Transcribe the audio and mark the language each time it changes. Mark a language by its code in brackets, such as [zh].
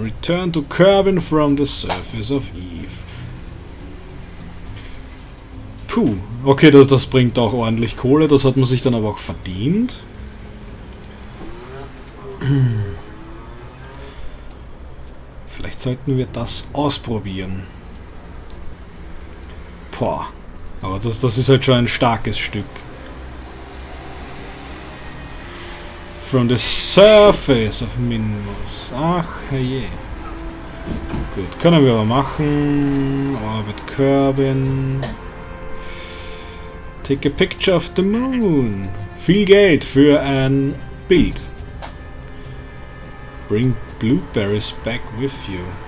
[en] Return to Kerbin from the surface of Eve. Puh. [de] Okay, das bringt auch ordentlich Kohle. Das hat man sich dann aber auch verdient. Vielleicht sollten wir das ausprobieren. Boah. Aber das ist halt schon ein starkes Stück. [en] From the surface of Minmus. [de] Ach, herrje. Gut, können wir aber machen. [en] Orbit Kerbin. Take a picture of the moon. [de] Viel Geld für ein Bild. [en] Bring blueberries back with you.